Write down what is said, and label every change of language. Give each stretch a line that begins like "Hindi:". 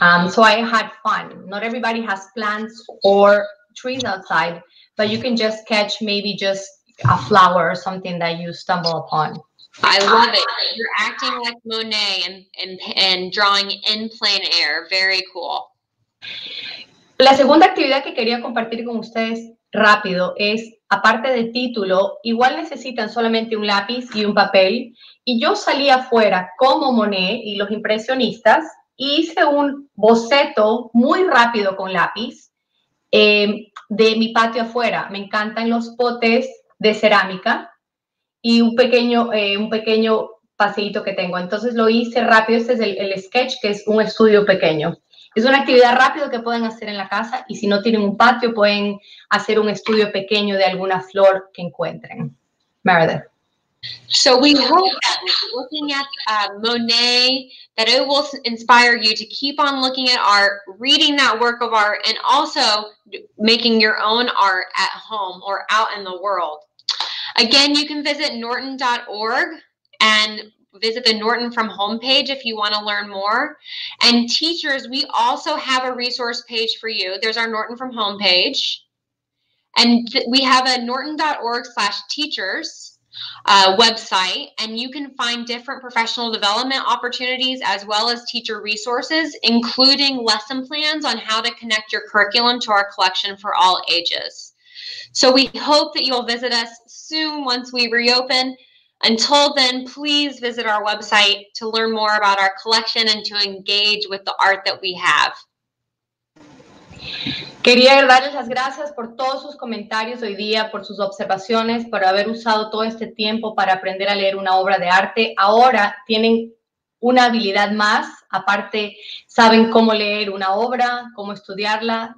English: So I had fun. Not everybody has plants or trees outside, but you can just catch maybe just a flower or something that you stumble upon. I love it. You're acting like Monet and drawing in plein air. Very cool.
Spanish: La segunda actividad que quería compartir con ustedes rápido es, aparte del título, igual necesitan solamente un lápiz y un papel. Y yo salí afuera como Monet y los impresionistas e hice un boceto muy rápido con lápiz de mi patio afuera. Me encantan los potes de cerámica y un pequeño paseíto que tengo. Entonces lo hice rápido. Este es el sketch, que es un estudio pequeño. Es una actividad rápida que pueden hacer en la casa, y si no tienen un patio, pueden hacer un estudio pequeño de alguna flor que encuentren. Meredith.
English: So we hope that looking at Monet, that it will inspire you to keep on looking at art, reading that work of art, and also making your own art at home or out in the world. Again, you can visit norton.org and visit the Norton From Home page if you want to learn more. And teachers, we also have a resource page for you. There's our Norton From Home page. And we have a norton.org/teachers website, and you can find different professional development opportunities as well as teacher resources, including lesson plans on how to connect your curriculum to our collection for all ages. So we hope that you'll visit us soon once we reopen. Until then, please visit our website to learn more about our collection and to engage with the art that we have.
Spanish: Quería darles las gracias por todos sus comentarios hoy día, por sus observaciones, por haber usado todo este tiempo para aprender a leer una obra de arte. Ahora tienen una habilidad más. Aparte, saben cómo leer una obra, cómo estudiarla.